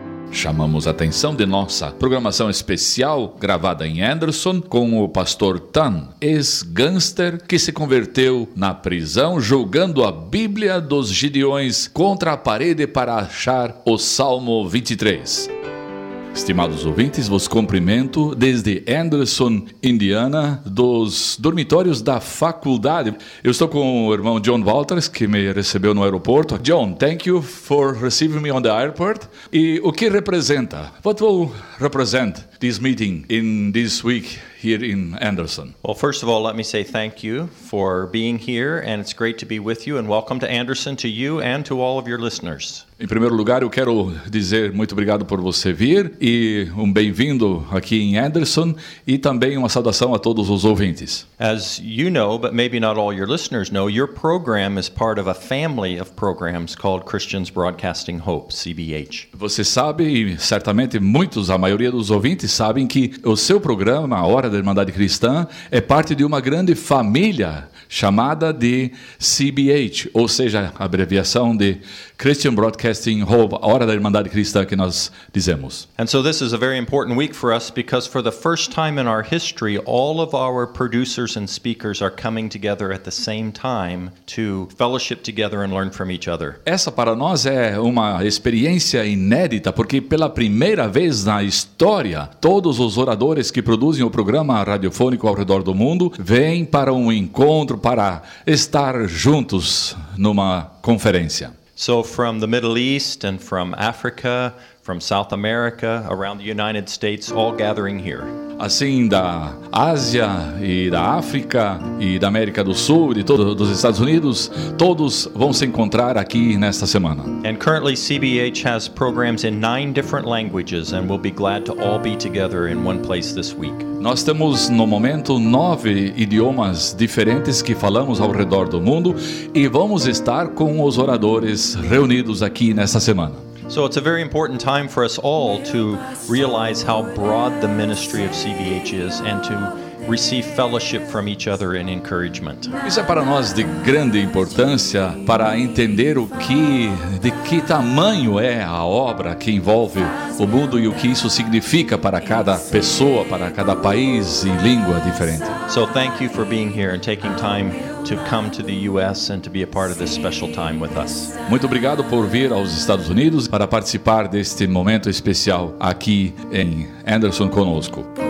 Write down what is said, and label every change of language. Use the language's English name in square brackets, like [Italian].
[Portuguese] Chamamos a atenção de nossa programação especial gravada em Anderson com o pastor Tan, ex-gangster que se converteu na prisão jogando a Bíblia dos Gideões contra a parede para achar o Salmo 23. Estimados ouvintes, vos cumprimento desde Anderson, Indiana, dos dormitórios da faculdade. Eu estou com o irmão John Walters, que me recebeu no aeroporto. [English] John, thank you for receiving me on the airport. [Portuguese] E o que representa? [English] What will represent this meeting in this week here in Anderson? Well, first of all, let me say thank you for being here, and it's great to be with you, and welcome to Anderson, to you and to all of your listeners. [Portuguese] Em primeiro lugar, eu quero dizer muito obrigado por você vir e um bem-vindo aqui em Anderson e também uma saudação a todos os ouvintes. [English] As you know, but maybe not all your listeners know, your program is part of a family of programs called Christians Broadcasting Hope, CBH. [Portuguese] Você sabe, e certamente muitos, a maioria dos ouvintes sabem, que o seu programa, A Hora da Irmandade Cristã, é parte de uma grande família chamada de CBH, ou seja, a abreviação de Christian Broadcasting Casting Hope, a Hora da Irmandade Cristã, que nós dizemos. [English] And so this is a very important week for us, because for the first time in our history, all of our producers and speakers are coming together at the same time to fellowship together and learn from each other. [Portuguese] Essa para nós é uma experiência inédita, porque pela primeira vez na história, todos os oradores que produzem o programa radiofônico ao redor do mundo vêm para um encontro, para estar juntos numa conferência. [English] So from the Middle East and from Africa, from South America, around the United States, all gathering here. [Portuguese] Assim, da Ásia e da África e da América do Sul e dos Estados Unidos, todos vão se encontrar aqui nesta semana. [English] And currently CBH has programs in 9 different languages, and we'll be glad to all be together in one place this week. [Portuguese] Nós temos no momento 9 idiomas diferentes que falamos ao redor do mundo e vamos estar com os oradores reunidos aqui nesta semana. [English] So it's a very important time for us all to realize how broad the ministry of CBH is and to receive fellowship from each other and encouragement. [Portuguese] Isso é para nós de grande importância, para entender o que, de que tamanho é a obra que envolve o mundo e o que isso significa para cada pessoa, para cada país e língua diferente. [English] So thank you for being here and taking time to come to the US and to be a part of this special time with us. [Portuguese] Muito obrigado por vir aos Estados Unidos para participar deste momento especial aqui em Anderson conosco.